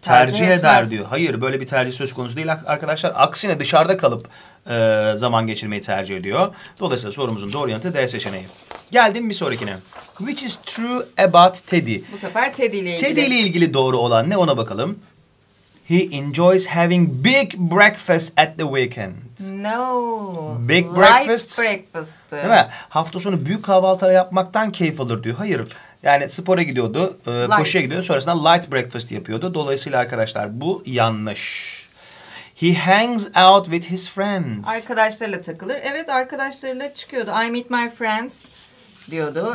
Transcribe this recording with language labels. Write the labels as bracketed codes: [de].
[tr] Tercih etmez. Eder diyor. Hayır, böyle bir tercih söz konusu değil arkadaşlar. Aksine dışarıda kalıp zaman geçirmeyi tercih ediyor. Dolayısıyla sorumuzun doğru yanıtı D seçeneği. Geldim bir sonrakine. [en] Which is true about Teddy? [tr] Bu sefer Teddy ile ilgili. Teddy ile ilgili doğru olan ne ona bakalım. [en] He enjoys having big breakfast at the weekend. No. Big light breakfast. Light breakfast. [tr] Değil mi? Hafta sonu büyük kahvaltı yapmaktan keyif alır diyor. Hayır. Yani spora gidiyordu. Koşuya gidiyordu. Sonrasında [en] light breakfast [tr] yapıyordu. Dolayısıyla arkadaşlar bu yanlış. [en] He hangs out with his friends. [tr] Arkadaşlarıyla takılır. Evet, arkadaşlarıyla çıkıyordu. [en] I meet my friends [tr] diyordu.